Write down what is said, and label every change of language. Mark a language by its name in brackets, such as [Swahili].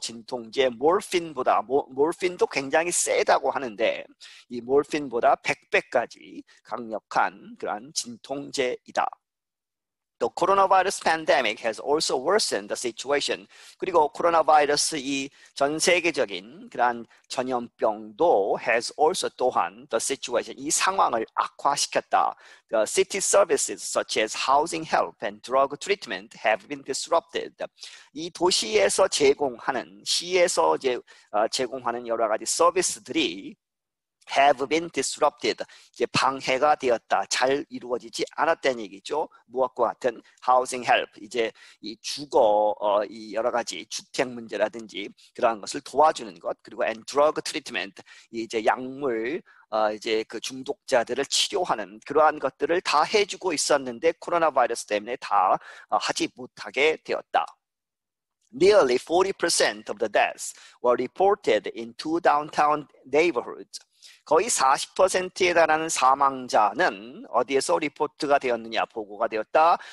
[Korean] 진통제 몰핀보다, 몰핀도 굉장히 세다고 하는데 이 몰핀보다 100배까지 강력한 그런 진통제이다. [English] The coronavirus pandemic has also worsened the situation. [Korean] 그리고 코로나 바이러스 이 전 세계적인 그러한 전염병도 [English] has also [Korean] 또한 [English] the situation [Korean] 이 상황을 악화시켰다. [English] The city services such as housing help and drug treatment have been disrupted. [Korean] 이 도시에서 제공하는 시에서 이제 제공하는 여러 가지 서비스들이 [English] have been disrupted. [Korean] 이제 방해가 되었다. 잘 이루어지지 않았다는 얘기죠. 무엇과 같은 [English] housing help. [Korean] 이제 이 주거, 이 여러 가지 주택 문제라든지 그러한 것을 도와주는 것. 그리고 [English] and drug treatment. [Korean] 이제 약물, 이제 그 중독자들을 치료하는 그러한 것들을 다 해주고 있었는데 코로나 바이러스 때문에 다 하지 못하게 되었다. [English] Nearly 40% of the deaths were reported in two downtown neighborhoods. [Korean] 거의 40%에 달하는 사망자는 어디에서 리포트가 되었느냐, 보고가 되었다.